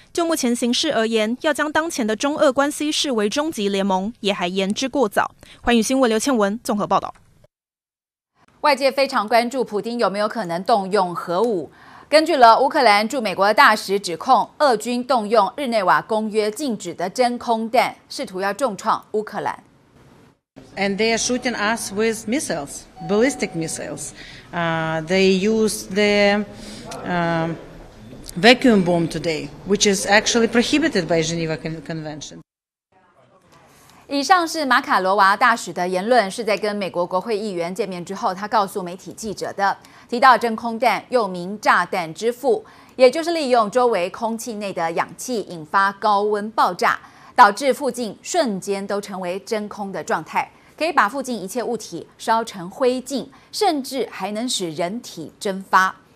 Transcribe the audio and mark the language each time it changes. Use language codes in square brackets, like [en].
[zh] 就目前形势而言，要将当前的中俄关系视为终极联盟也还言之过早。环宇新闻刘倩文综合报道。外界非常关注普丁有没有可能动用核武，根据了乌克兰驻美国大使指控，俄军动用日内瓦公约禁止的真空弹，试图要重创乌克兰。 [en] And they are shooting us with missiles, ballistic missiles. They use the vacuum bomb today, which is actually prohibited by Geneva Convention. [zh] 以上是马卡罗娃大使的言论，是在跟美国国会议员见面之后，他告诉媒体记者的。提到真空弹，又名炸弹之父，也就是利用周围空气内的氧气引发高温爆炸，导致附近瞬间都成为真空的状态，可以把附近一切物体烧成灰烬，甚至还能使人体蒸发。